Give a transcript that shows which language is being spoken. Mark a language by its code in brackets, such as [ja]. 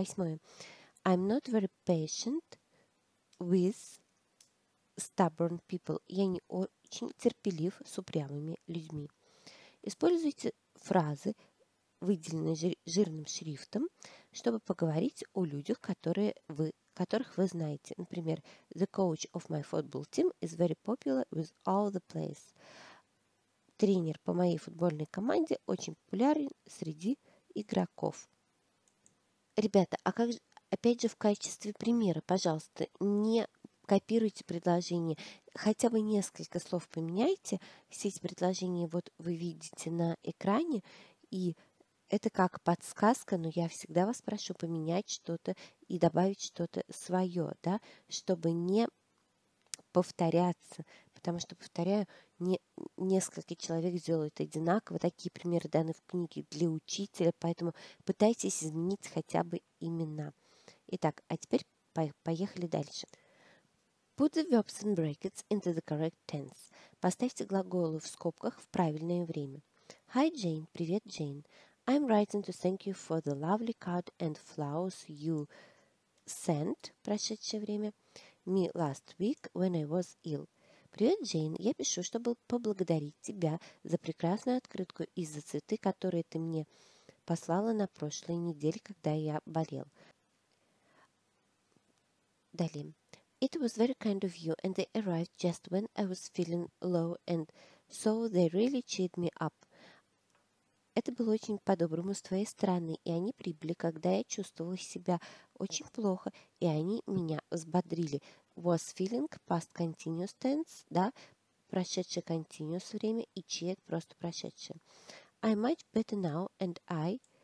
[ru] Восьмое. [en] I'm not very patient with stubborn people. [ru] Я не очень терпелив с упрямыми людьми. Используйте фразы, выделенные жирным шрифтом, чтобы поговорить о людях, которых вы знаете. Например, [en] the coach of my football team is very popular with all the players. [ru] Тренер по моей футбольной команде очень популярен среди игроков. Ребята, а как же, опять же, в качестве примера, пожалуйста, не копируйте предложение. Хотя бы несколько слов поменяйте. Все эти предложения вот вы видите на экране. И это как подсказка, но я всегда вас прошу поменять что-то и добавить что-то свое, да, чтобы не повторяться. Потому что, повторяю, несколько человек делают одинаково. Такие примеры даны в книге для учителя, поэтому пытайтесь изменить хотя бы имена. Итак, а теперь поехали дальше. [en] Put the verbs in brackets into the correct tense. [ru] Поставьте глаголы в скобках в правильное время. [en] Hi, Jane. [ru] Привет, Jane. [en] I'm writing to thank you for the lovely card and flowers you sent, [ru] прошедшее время, [en] me last week when I was ill. [ru] Привет, Джейн. Я пишу, чтобы поблагодарить тебя за прекрасную открытку и за цветы, которые ты мне послала на прошлой неделе, когда я болел. Далее. [en] It was very kind of you, and they arrived just when I was feeling low, and so they really cheered me up. [ru] Это было очень по-доброму с твоей стороны, и они прибыли, когда я чувствовала себя очень плохо, и они меня взбодрили. [en] Was feeling past continuous tense, [ru] да, прошедшее [en] continuous [ru] время, и [en] cheered [ru] просто прошедшее. [en] I'm much better now, and I...